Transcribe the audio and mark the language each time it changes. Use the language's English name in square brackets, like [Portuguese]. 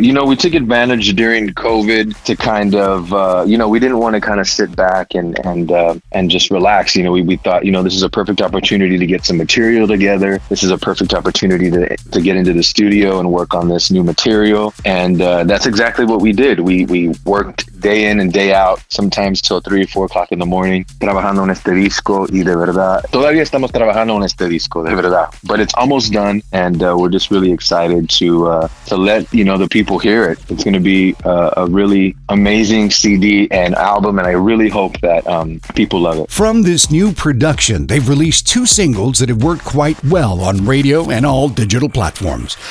[English] You know, we took advantage during COVID to kind of, we didn't want to kind of sit back and just relax. You know, we thought, you know, this is a perfect opportunity to get some material together. This is a perfect opportunity to get into the studio and work on this new material. And that's exactly what we did. We worked day in and day out, sometimes till 3 or 4 o'clock in the morning. [Spanish] Trabajando en este disco y de verdad. Todavía estamos trabajando en este disco, de verdad. [English] But it's almost done, and we're just really excited to let, you know, the people hear it. It's going to be a really amazing CD and album, and I really hope that people love it. From this new production, they've released 2 singles that have worked quite well on radio and all digital platforms.